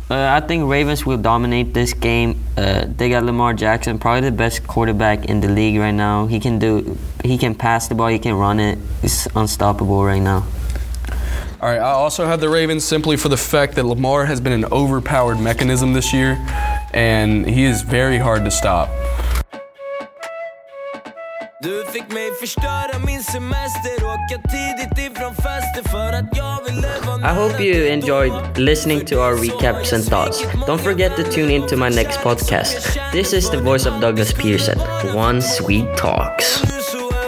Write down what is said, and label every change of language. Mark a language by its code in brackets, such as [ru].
[en] I think Ravens will dominate this game. They got Lamar Jackson, probably the best quarterback in the league right now. He can pass the ball, he can run it. It's unstoppable right now. All right, I also have the Ravens simply for the fact that Lamar has been an overpowered mechanism this year, and he is very hard to stop. [sv] Du fick mig förstöra min semester och åka tidigt ifrån fester för att jag vill leva. [en] I hope you enjoyed listening to our recaps and thoughts. Don't forget to tune in to my next podcast. This is the voice of Douglas Pearson, One Sweet Talks.